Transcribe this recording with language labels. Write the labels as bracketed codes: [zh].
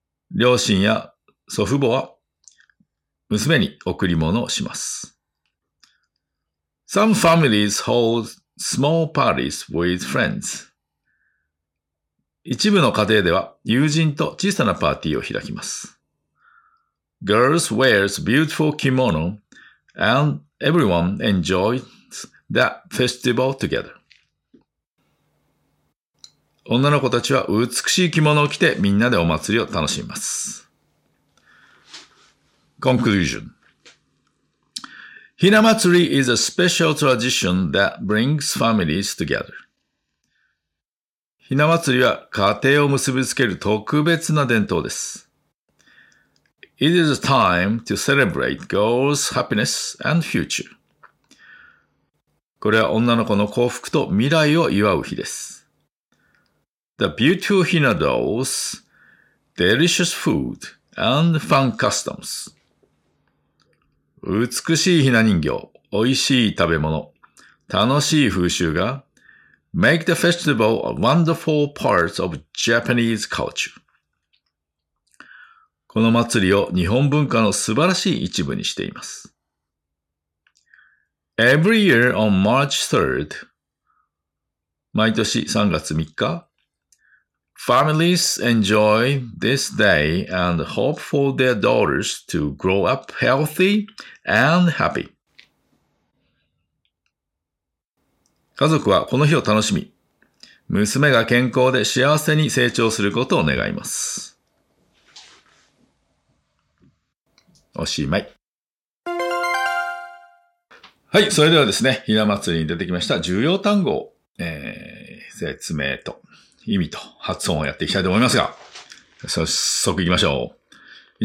[ja] 両親や祖父母は娘に贈り物をします。 [en] Some families hold small parties with friends. [ja] 一部の家庭では友人と小さなパーティーを開きます。 [en] Girls wears beautiful kimono and everyone enjoys the festival together. [ja] 女の子たちは美しい着物を着てみんなでお祭りを楽しみます。 [en] Conclusion. ひな祭り is a special tradition that brings families together. [ja] ひな祭りは家庭を結びつける特別な伝統です。 [en] It is a time to celebrate girls' happiness and future. [ja] これは女の子の幸福と未来を祝う日です。 [en] The beautiful Hina dolls, delicious food, and fun customs. [ja] 美しいひな人形、美味しい食べ物、楽しい風習が [en] Make the festival a wonderful part of Japanese culture. [ja] この祭りを日本文化の素晴らしい一部にしています。 [en] Every year on March 3rd, [ja] 毎年3月3日、 [en] families enjoy this day and hope for their daughters to grow up healthy and happy. [ja] 家族はこの日を楽しみ、娘が健康で幸せに成長することを願います。おしまい。はい、それではですね、ひな祭りに出てきました重要単語、説明と意味と発音をやっていきたいと思いますが、早速いきましょう。